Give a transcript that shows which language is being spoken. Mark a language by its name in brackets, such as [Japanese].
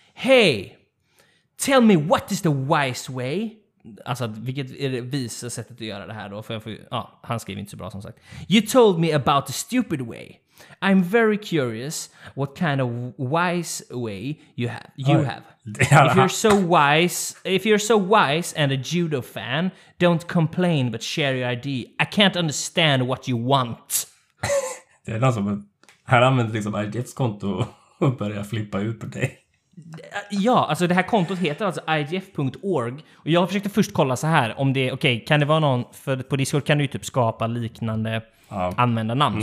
[English] Hey, tell me what is the wise way? [Swedish] Alltså, vilket är det visa sättet att göra det här då? För jag får, ja, han skrev inte så bra som sagt. [English] You told me about the stupid way. I'm very curious what kind of wise way you have. If you're so wise and a judo fan, don't complain but share your ID. I can't understand what you want. [Swedish] Det är någon som här använder liksom IGF:s konto och börjar flippa ut på dig. Ja, alltså det här kontot heter alltså igf.org, och jag försökte först kolla så här om det okej, okay, kan det vara någon, för på Discord kan du typ skapa liknande användarnamn.